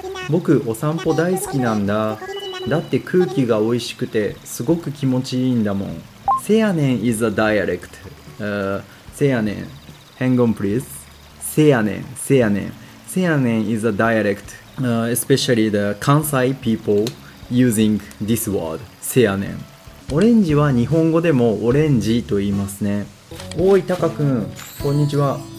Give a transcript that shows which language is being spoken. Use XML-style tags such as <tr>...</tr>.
<ja>僕お散歩大好きなんだ。だって空気が美味しくてすごく気持ちいいんだもん。</ja> <en>せやねん is a dialect。 せやねん、 hang on please。せやねん、せやねん、せやねん is a dialect、especially the 関西 people using this word。</en> <ja>せやねん。オレンジは日本語でもオレンジと言いますね。おい、タカくん、こんにちは。</ja>